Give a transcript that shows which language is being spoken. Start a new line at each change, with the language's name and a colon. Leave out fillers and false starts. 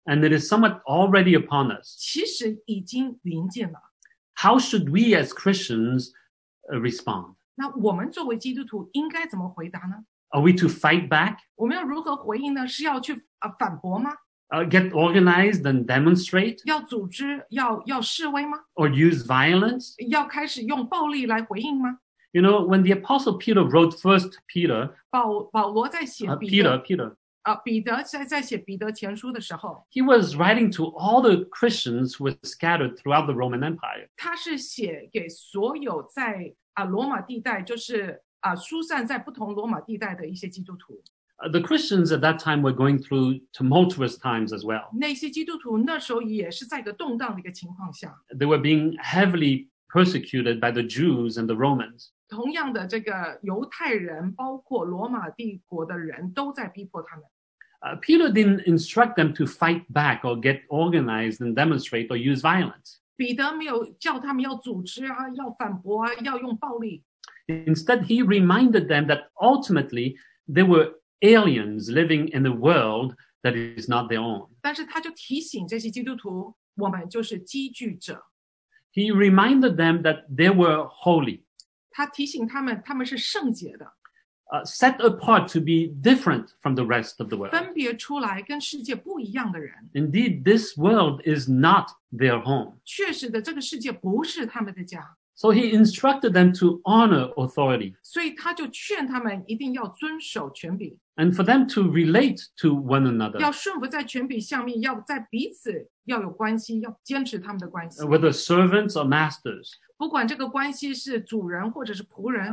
English: And it is somewhat already upon us.
Chinese: 其实已经临近了。
English: How should we as Christians respond?
Chinese: 那我们作为基督徒应该怎么回答呢？
English: Are we to fight back?
Chinese: 我们要如何回应呢？是要去反驳吗？
English: Get organized and demonstrate?
Chinese: 要组织，要示威吗？
English: Or use violence?
Chinese: 要开始用暴力来回应吗？
English: You know, when the Apostle Peter wrote First Peter,
Chinese: 保罗在写彼得
English: Peter.
Chinese: 彼得在写彼得前书的时候
English: He was writing to all the Christians who were scattered throughout the Roman Empire.
Chinese: 他是写给所有在罗马地带就是疏散在不同罗马地带的一些基督徒。
English: The Christians at that time were going through tumultuous times as well.
Chinese: 那些基督徒那时候也是在一个动荡的一个情况下。
English: They were being heavily persecuted by the Jews and the Romans.
Chinese: 同样的这个犹太人包括罗马帝国的人都在逼迫他们。
English: Peter didn't instruct them to fight back or get organized and demonstrate or use violence.
Chinese: 彼得没有叫他们要组织啊，要反驳啊，要用暴力。
English: Instead, he reminded them that ultimately they were aliens living in a world that is not their own.
Chinese: 但是他就提醒这些基督徒，我们就是寄居者。
English: He reminded them that they were holy.
Chinese: 他提醒他们，他们是圣洁的。
English: Set apart to be different from the rest of the world.
Chinese: 分别出来跟世界不一样的人。
English: Indeed, this world is not their home.
Chinese: 确实的，这个世界不是他们的家。
English: So he instructed them to honor authority.
Chinese: 所以他就劝他们一定要遵守权柄。
English: And for them to relate to one another.
Chinese: 要顺服在权柄下面，要在彼此要有关系，要坚持他们的关系。
English: Whether servants or masters.
Chinese: 不管这个关系是主人或者是仆人。